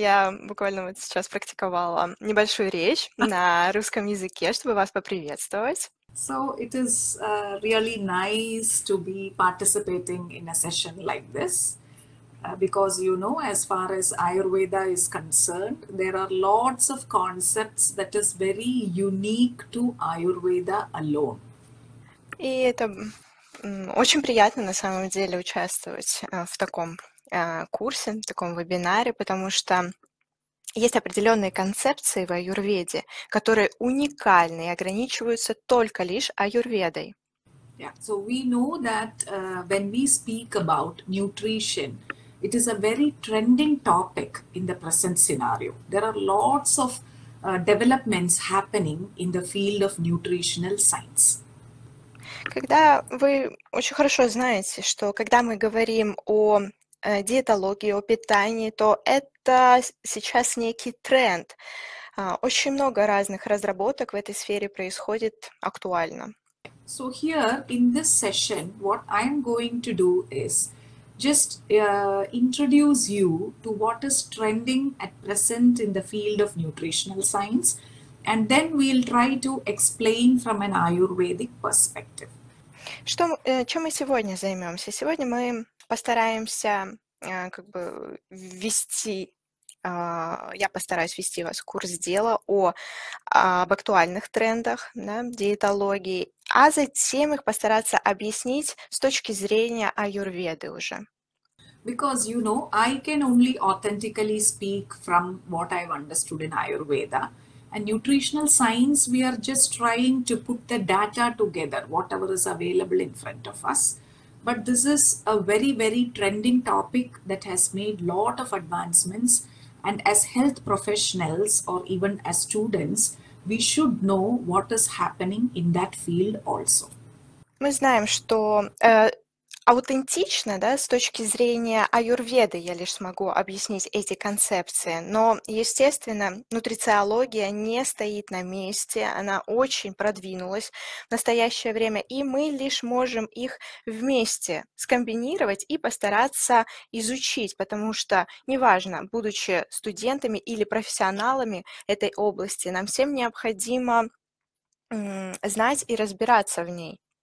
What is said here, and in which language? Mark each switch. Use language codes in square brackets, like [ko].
[ru] Я буквально вот сейчас практиковала небольшую речь на русском языке, чтобы вас поприветствовать. [en] So it is really nice to be participating in a session like this because, you know, as far as Ayurveda is concerned, there are lots of concepts that is very unique to Ayurveda alone. [ru] И это очень приятно на самом деле участвовать в таком курсе, в таком вебинаре, потому что есть определенные концепции в аюрведе, которые уникальны и ограничиваются только лишь аюрведой. [en] Yeah, so we know that when we speak about nutrition, it is a very trending topic in the present scenario. There are lots of developments happening in the field of nutritional science. [ru] Когда вы очень хорошо знаете, что когда мы говорим о диетологии, о питании, то это сейчас некий тренд. Очень много разных разработок в этой сфере происходит актуально. [en] So here in this session, what I am going to do is just introduce you to what is trending at present in the field of nutritional science, and then we'll try to explain from an Ayurvedic perspective. [ru] Что, чем мы сегодня займемся? Сегодня мы постараемся как бы ввести, я постараюсь ввести вас в курс дела об актуальных трендах, да, диетологии, а затем их постараться объяснить с точки зрения аюрведы уже. [en] Because, you know, I can only authentically speak from what I've understood in Ayurveda. And nutritional science, we are just trying to put the data together, whatever is available in front of us. But this is a very, very trending topic that has made a lot of advancements. And as health professionals or even as students, we should know what is happening in that field also. [ru] Мы знаем, что аутентично, да, с точки зрения аюрведы я лишь смогу объяснить эти концепции. Но, естественно, нутрициология не стоит на месте, она очень продвинулась в настоящее время, и мы лишь можем их вместе скомбинировать и постараться изучить, потому что, неважно, будучи студентами или профессионалами этой области, нам всем необходимо знать и разбираться в ней.